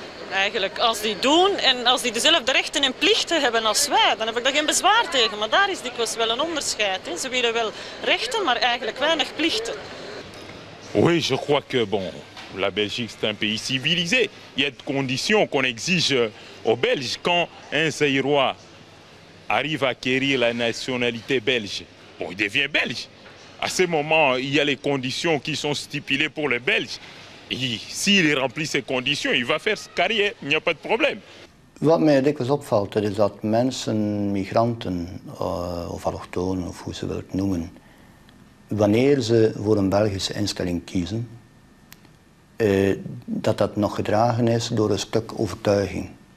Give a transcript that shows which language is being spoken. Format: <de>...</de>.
<nl>Eigenlijk, als die doen en als die dezelfde rechten en plichten hebben als wij, dan heb ik daar geen bezwaar tegen. Maar daar is dikwijls wel een onderscheid. Hein. Ze willen wel rechten, maar eigenlijk weinig plichten.</nl> <fr>Oui, je crois que bon, la Belgique c'est un pays civilisé. Il y a des conditions qu'on exige aux Belges quand un Zaïrois arrive à acquérir la nationalité belge. Bon, il devient belge. À ce moment, il y a les conditions qui sont stipulées pour les Belges. Et s'il remplit ces conditions, il va faire sa carrière, il n'y a pas de problème.</fr> <nl>Wat mij dikwijls opvalt, is dat mensen, migranten, of allochtonen, of hoe ze wil het noemen, wanneer ze voor een Belgische instelling kiezen, dat nog gedragen is door een stuk overtuiging.</nl>